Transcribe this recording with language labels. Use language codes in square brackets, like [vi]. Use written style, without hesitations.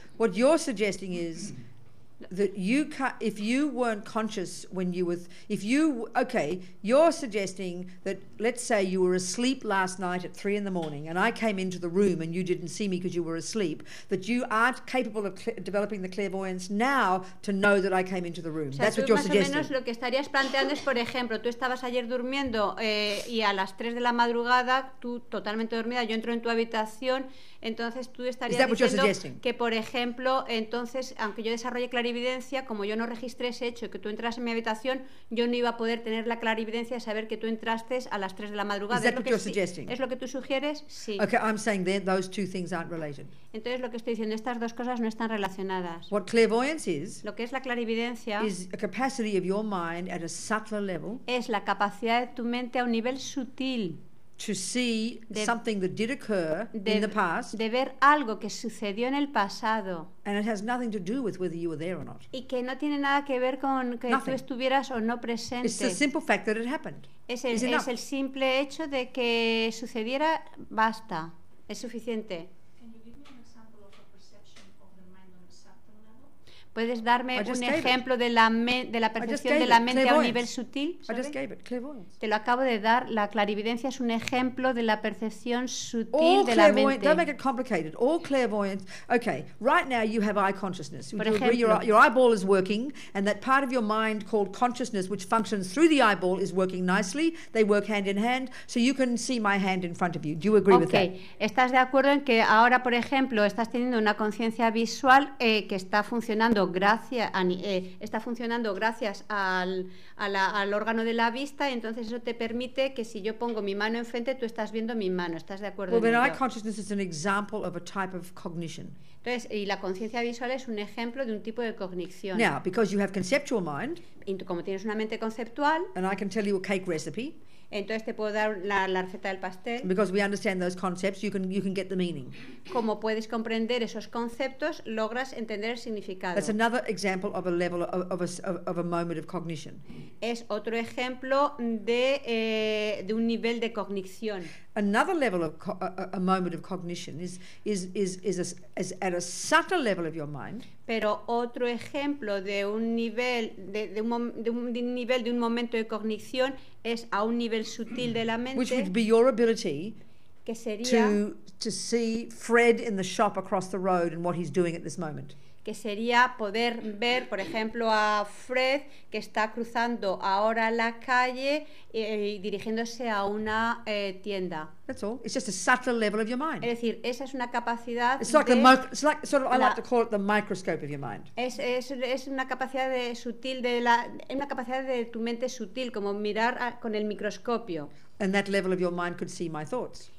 [en] What you're suggesting is that you can't, if you weren't conscious when you were, if you, okay, you're suggesting that, let's say you were asleep last night at 3 a.m. and I came into the room and you didn't see me because you were asleep, that you aren't capable of developing the clairvoyance now to know that I came into the room. [es] O sea, [en] that's what you're suggesting. [es] Más o menos lo que estarías planteando es, por ejemplo, tú estabas ayer durmiendo y a las 3 a.m, tú totalmente dormida, yo entro en tu habitación. Entonces tú estarías diciendo que, por ejemplo, entonces, aunque yo desarrolle clarividencia, como yo no registré ese hecho, que tú entras en mi habitación, yo no iba a poder tener la clarividencia de saber que tú entraste a las 3 a.m. ¿Es lo que tú sugieres? Sí. [en] Okay, I'm saying that those two things aren't related. [es] Entonces lo que estoy diciendo, estas dos cosas no están relacionadas. [en] What clairvoyance is, [es] lo que es la clarividencia [en] is a capacity of your mind at a subtler level, [es] es la capacidad de tu mente a un nivel sutil. [en] To see something that did occur in the past, [es] de ver algo que sucedió en el pasado, [en] and it has nothing to do with whether you were there or not, [es] y que no tiene nada que ver con que tú estuvieras o no presente. [en] It's the simple fact that it happened. [es] Es el simple hecho de que sucediera, basta, es suficiente. ¿Puedes darme un ejemplo de la percepción de la mente a un nivel sutil? Te lo acabo de dar. La clarividencia es un ejemplo de la percepción sutil de la mente. [en] Don't make it complicated. All clairvoyance. Okay, right now you have eye consciousness. [es] Por ejemplo, [en] your eyeball is working, and that part of your mind called consciousness, which functions through the eyeball, is working nicely. They work hand in hand, so you can see my hand in front of you. Do you agree with that? Okay. [es] ¿Estás de acuerdo en que ahora, por ejemplo, estás teniendo una conciencia visual que está funcionando? Está funcionando gracias al órgano de la vista, entonces eso te permite que si yo pongo mi mano enfrente, tú estás viendo mi mano. ¿Estás de acuerdo? [en] Well, eye consciousness is an example of a type of cognition. [es] Entonces, y la conciencia visual es un ejemplo de un tipo de cognición. [en] Now, because you have conceptual mind, [es] y como tienes una mente conceptual, [en] and I can tell you a cake recipe. [es] Entonces te puedo dar la receta del pastel. [en] Because we understand those concepts, you can get the meaning. [es] Como puedes comprender esos conceptos, logras entender el significado. [en] That's another example of a level of a moment of cognition. [es] Es otro ejemplo de un nivel de cognición. [en] Another level of a moment of cognition is at a subtle level of your mind. [es] Pero otro ejemplo de un momento de cognición es a un nivel sutil de la mente, [en] which would be your ability, [es] que sería [en] to see Fred in the shop across the road and what he's doing at this moment. [es] Que sería poder ver, por ejemplo, a Fred que está cruzando ahora la calle y dirigiéndose a una tienda. [en] That's all. It's just a subtle level of your mind. [es] Es decir, esa es una capacidad. [en] It's like [es] de [en] I like to call it the microscope of your mind. [es] Es una capacidad de sutil de la, es una capacidad de tu mente sutil, como mirar con el microscopio. [en] And that level of your mind could see my thoughts.